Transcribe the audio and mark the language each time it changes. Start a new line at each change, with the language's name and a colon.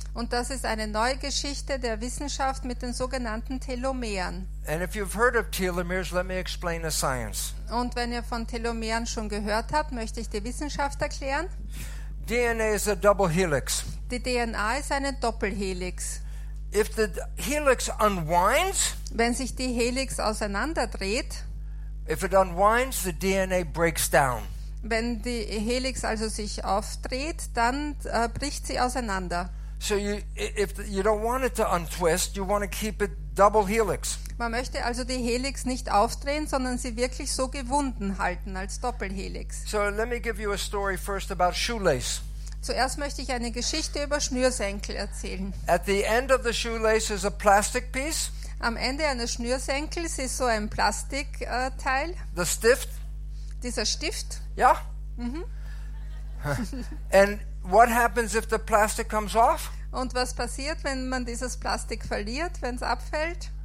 German: Und das ist eine neue Geschichte der Wissenschaft mit den sogenannten Telomeren.
English: And if you've heard of telomeres, let me explain the science.
German: Und wenn ihr von Telomeren schon gehört habt, möchte ich die Wissenschaft erklären.
English: DNA is a double helix.
German: Die DNA ist eine Doppelhelix.
English: If the helix unwinds,
German: wenn sich die Helix auseinanderdreht,
English: if it unwinds, the DNA breaks down.
German: Wenn die Helix also sich aufdreht, dann bricht sie auseinander.
English: So if you don't want it to untwist, you want to keep it double helix.
German: Man möchte also die Helix nicht aufdrehen, sondern sie wirklich so gewunden halten als Doppelhelix.
English: So let me give you a story first about shoelace.
German: Zuerst möchte ich eine Geschichte über Schnürsenkel erzählen.
English: At the end of the shoelace is a plastic piece.
German: Am Ende eines Schnürsenkels ist so ein Plastikteil.
English: The stift.
German: Dieser Stift. Ja. Mhm.
English: And what happens if the plastic comes off?
German: Und was passiert, wenn man dieses Plastik verliert, wenn es abfällt?